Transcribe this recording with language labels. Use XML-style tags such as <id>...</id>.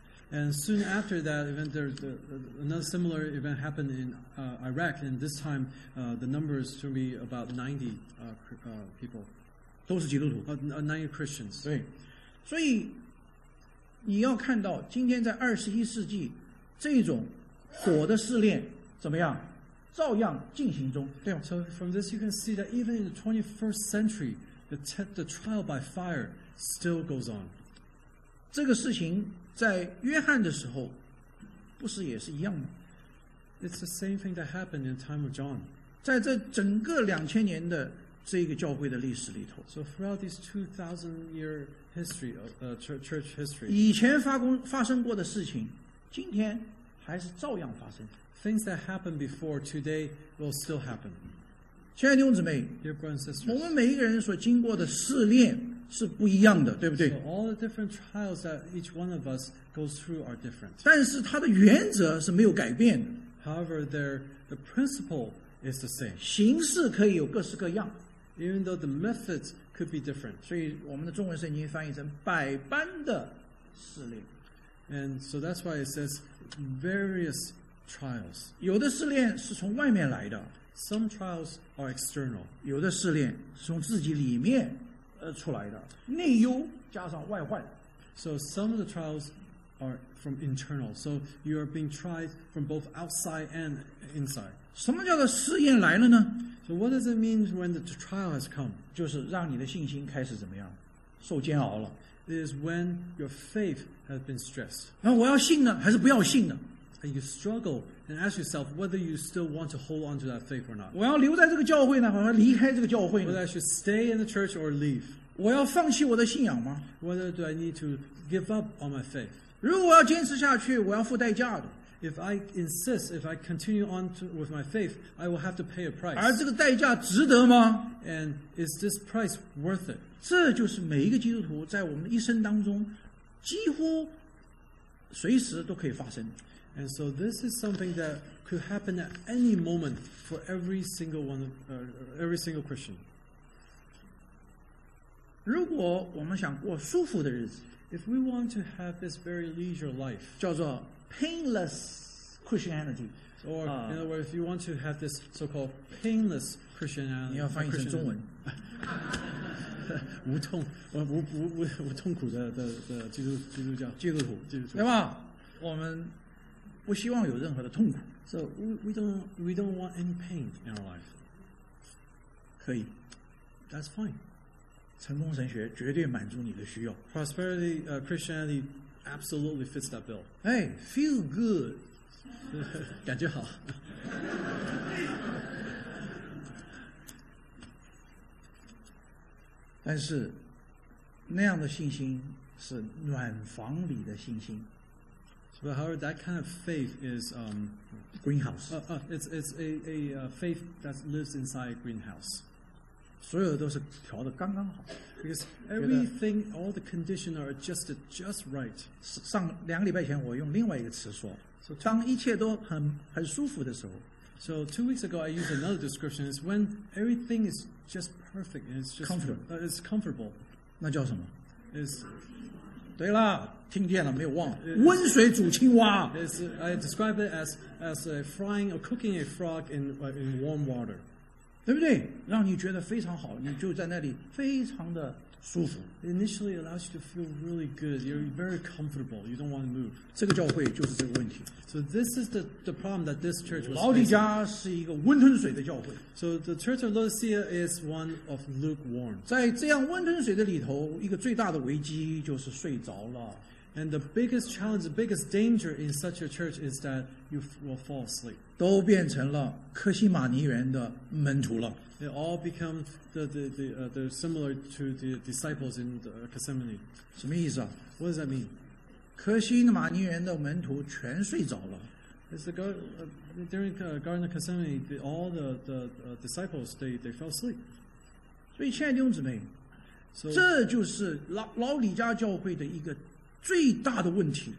<en>And soon after that event, there's another similar event happened in Iraq, and this time the numbers should be about 90 people.</en> <zh>都是基督徒。</zh> <en>90 Christians.</en> <zh>对，所以。你要看到今天在二十一世纪这种火的试炼怎么样照样进行中对吗</zh> <en>So from this you can see that even in the 21st century the trial by fire still goes on</en> <zh>这个事情在约翰的时候不是也是一样吗</zh> <en>It's the same thing that happened in the time of John</en> <zh>在这整个两千年的这个教会的历史里头</zh> <en>So throughout this 2000 year history church history</en> <zh>以前发生过的事情今天还是照样发生</zh> <en>Things that happened before today will still happen</en> <zh>亲爱的弟兄姊妹</zh> <en>Dear brothers and sisters</en> <zh>我们每一个人所经过的试炼是不一样的对不对</zh> <en>So all the different trials that each one of us goes through are different</en> <zh>但是它的原则是没有改变的</zh> <en>However the principle is the same</en> <zh>形式可以有各式各样</zh> <en>Even though the methods could be different.</en> <zh>所以我们的中文圣经翻译成百般的试炼。</zh> <en>And so that's why it says various trials.</en> <zh>有的试炼是从外面来的。</zh> <en>Some trials are external.</en> <zh>有的试炼是从自己里面出来的。内忧加上外患。</zh> <en>So some of the trials are from internal. So you are being tried from both outside and inside.</en> <zh>什么叫做试验来了呢？</zh> <en>So what does it mean when the trial has come?</en> <zh>就是让你的信心开始怎么样？受煎熬了。</zh> <en>It is when your faith has been stressed.</en> <zh>那我要信呢，还是不要信呢？</zh> <en>And you struggle and ask yourself whether you still want to hold on to that faith or not.</en> <zh>我要留在这个教会呢，还是离开这个教会呢？</zh> <en>Whether I should stay in the church or leave.</en> <zh>我要放弃我的信仰吗？</zh> <en>Whether do I need to give up on my faith?</en> <zh>如果我要坚持下去，我要付代价的。</zh> <en>If I insist, if I continue on to, with my faith, I will have to pay a price.</en> <zh>而这个代价值得吗？</zh> <en>And is this price worth it?</en> <zh>这就是每一个基督徒在我们一生当中几乎随时都可以发生。</zh> <en>And so this is something that could happen at any moment for every single Christian.</en> <zh>如果我们想过舒服的日子</zh> <en>If we want to have this very leisure life,</en> <zh>叫做</zh> <en>Painless Christianity, or in other words, if you want to have this so-called painless Christianity,</en> <zh>你要翻译成中文，无痛，无痛苦的基督教基督徒，对吧？我们不希望有任何的痛苦</zh> <en>，so we don't want any pain in our life.</en> <zh>可以</zh> <en>，that's fine.</en> <zh>成功神学绝对满足你的需要</zh> <en>，prosperity Christianity. Absolutely fits that bill. Hey, feel good.</en> <zh>感觉好。但是那样的信心是暖房里的信心。</zh> <en>So, however, that kind of faith is greenhouse. It's a faith that lives inside a greenhouse.</en> <zh>所有的都是调得刚刚好。</zh> <en>Because everything, all the conditions are adjusted just right.</en> <zh>上两个礼拜前我用另外一个词说。</zh> <en>So,</en> <zh>当一切都很舒服的时候。</zh> <en>So 2 weeks ago I used another description. It's when everything is just perfect and it's just comfortable. It's comfortable.</en> <zh>那叫什么？</zh> <en>It's...</en> <zh>对啦，听见了没有忘？温水煮青蛙。</zh> <en>I describe it as a frying or cooking a frog in warm water，</en> <zh>对不对？让你觉得非常好，你就在那里非常的舒服。</zh> <en>Initially allows you to feel really good. You're very comfortable. You don't want to move.</en> <zh>这个教会就是这个问题。</zh> <en>So this is the problem that this church was.</en> <zh>老底家是一个温吞水的教会。</zh> <en>So the church of Laodicea is one of lukewarm.</en> <zh>在这样温吞水的里头，一个最大的危机就是睡着了。</zh> <en>And the biggest challenge, the biggest danger in such a church is that you will fall asleep.</en> <zh>都变成了科西玛尼园的门徒了。</zh> <en>They all become the similar to the disciples in the Gethsemane.</en> <zh>什么意思啊？</zh> <en>What does that mean?</en> <zh>科西玛尼园的门徒全睡着了。</zh> <en>It's the during the Garden of Gethsemane, all the disciples they fell asleep.</en> <zh>所以亲爱的弟兄姊妹，</zh> <en>so,</en> <zh>这就是老李家教会的一个最大的问题。</zh>